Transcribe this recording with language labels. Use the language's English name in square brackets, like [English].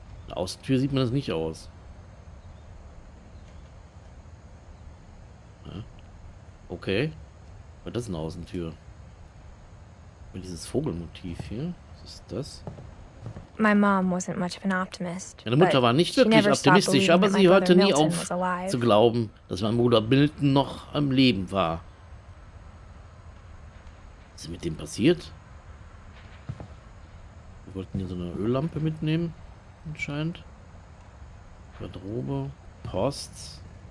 [German] Aus der Tür sieht man das nicht aus. Okay. Aber das ist eine Außentür. Und dieses Vogelmotiv hier. Was ist das? [English] My mom wasn't much of an optimist. [German] Meine Mutter war nicht wirklich optimistisch, aber sie hörte nie auf zu glauben, dass mein Bruder Milton noch am Leben war. Was ist mit dem passiert? Wir wollten hier so eine Öllampe mitnehmen, anscheinend. Garderobe, Post.